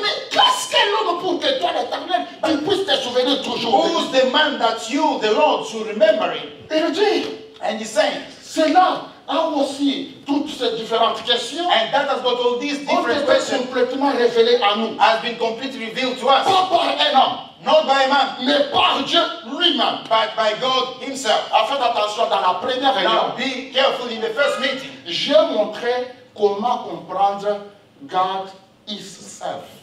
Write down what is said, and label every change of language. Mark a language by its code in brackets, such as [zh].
[fr] Mais qu'est-ce que l'homme pour que toi l'Éternel tu puisses te souvenir toujours? [en] Who is the man that you, the Lord, should remember him? And he's saying, [fr] c'est là a aussi toutes ces différentes questions. [en] And that has got all these different questions [fr] complètement révélées à nous. [en] Has been completely revealed to us. [fr] Pas par un homme. [en] Not by man, [fr] mais par Dieu lui-même, [en] but by God himself. [fr] Faites attention dans la première réunion. [en] Now, be careful in the first meeting. [fr] Je montrerai comment comprendre [en] God is self.